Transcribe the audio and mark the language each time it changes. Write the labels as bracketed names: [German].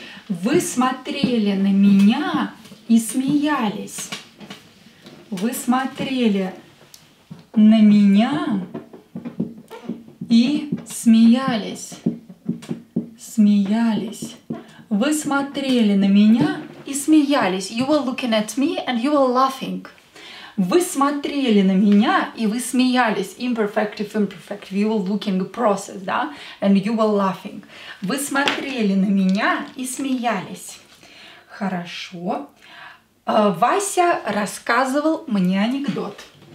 [Russian] Вы смотрели на меня и смеялись. Вы смотрели на меня и смеялись. Смеялись. Вы смотрели на меня и смеялись. [English] You were looking at me and you were laughing. [Russian] Вы смотрели на меня, и вы смеялись. [English] Imperfective, imperfective. You were looking process, да? And you were laughing. [Russian] Вы смотрели на меня и смеялись. Хорошо. Вася рассказывал мне анекдот.